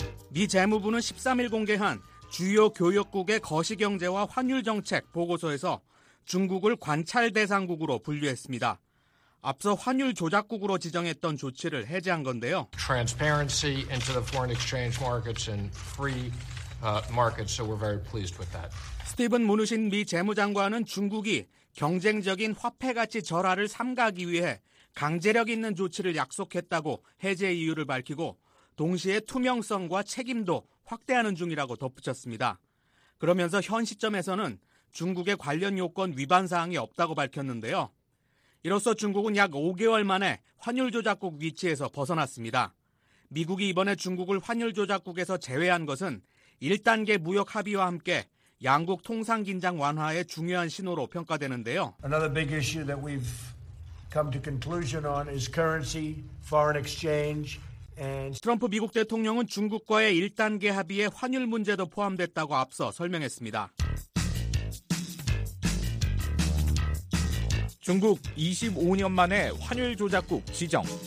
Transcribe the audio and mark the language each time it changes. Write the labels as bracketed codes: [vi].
[ko] 미 재무부는 13일 공개한 주요 교역국의 거시경제와 환율정책 보고서에서 중국을 관찰 대상국으로 분류했습니다. 앞서 환율 조작국으로 지정했던 조치를 해제한 건데요. [en] Transparency into the foreign exchange markets and free markets, so we're very pleased with that. [ko] 스티븐 무누신 미 재무장관은 중국이 경쟁적인 화폐가치 절하를 삼가기 위해 강제력 있는 조치를 약속했다고 해제 이유를 밝히고 동시에 투명성과 책임도 확대하는 중이라고 덧붙였습니다. 그러면서 현 시점에서는 중국의 관련 요건 위반 사항이 없다고 밝혔는데요. 이로써 중국은 약 5개월 만에 환율 조작국 위치에서 벗어났습니다. 미국이 이번에 중국을 환율 조작국에서 제외한 것은 1단계 무역 합의와 함께 양국 통상 긴장 완화의 중요한 신호로 평가되는데요. [en] Another big issue that we've come to conclusion on is currency, foreign exchange. [ko] 트럼프 미국 대통령은 중국과의 1단계 합의에 환율 문제도 포함됐다고 앞서 설명했습니다. 중국 25년 만에 환율 조작국 지정.